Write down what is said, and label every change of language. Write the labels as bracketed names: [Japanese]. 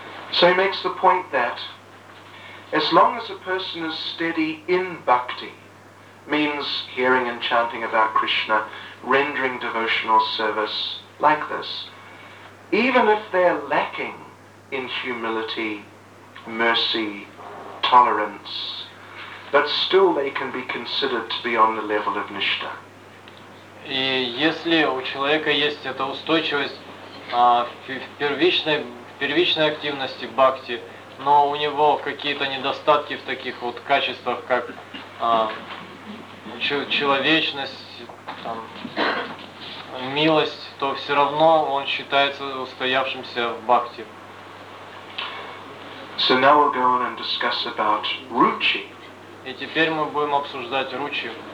[English] So he makes the point that as long as a person is steady in bhakti, means hearing and chanting about Krishna, rendering devotional service like this, even if they're lacking in humility, mercy, tolerance, but still they can be considered to be on the level of nishtha. [Russian] И если у человека есть эта устойчивость в первичной активности бхакти, но у него какие-то недостатки в таких вот качествах, как человечность, там, милость, то все равно он считается устоявшимся в бхакти. [English] So now we'll go on and discuss about ruchi. [Russian] И теперь мы будем обсуждать ручи.